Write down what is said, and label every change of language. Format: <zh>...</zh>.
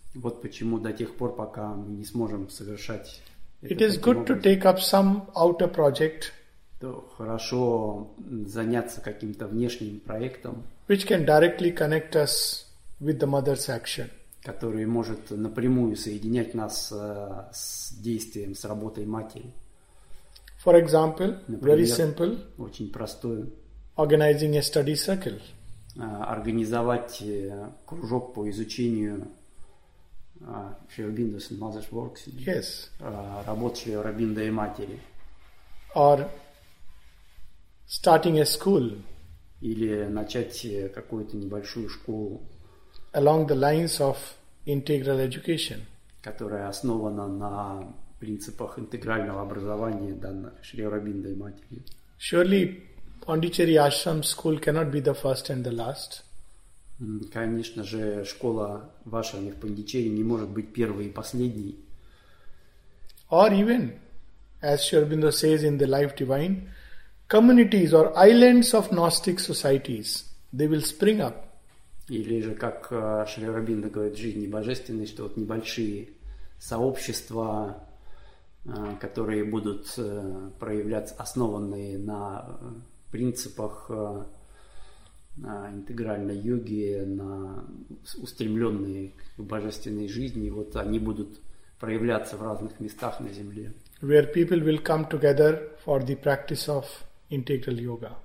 <ru>вот почему до тех пор, пока мы не сможем совершать это,</ru> <en>it is good</en> <ru>образом,</ru> <en>to take up some outer project,</en> <ru>то хорошо заняться каким-то внешним проектом,</ru> <en>which can directly connect us with the mother's action,</en> <ru>который может напрямую соединять нас с действием, с работой матери.</ru> <en>For example,</en> <ru>например,</ru> <en>very simple,</en> <ru>очень простое,</ru> <en>organizing a study circle,</en> <ru>организовать кружок по изучению Шри Аурбиндо</ru> <en>and Mother's Works, yes,</en> <ru>работ Шри Аурбиндо и матери.</ru> <en>Or starting a school,</en> <ru>или начать какую-то небольшую школу,</ru> <en>along the lines of integral education,</en> <ru>которая основана на принципах интегрального образования данной Шри Аурбиндо и матери.</ru> <en>Surely Pondicherry Ashram school cannot be the first and the last.</en> <ru>Конечно же, школа ваша в Пондичерри не может быть первой и последней.</ru> <en>Or even, as Sri Aurobindo says in The Life Divine, communities or islands of Gnostic societies, they will spring up.</en> <ru>Или же, как Шри Аурбиндо говорит в «Жизни Божественной», что вот небольшие сообщества, которые будут проявляться, основанные на принципах интегральной йоги, на устремленные к божественной жизни, вот они будут проявляться в разных местах на Земле.</ru> <en>Where people will come together for the practice of integral yoga.</en>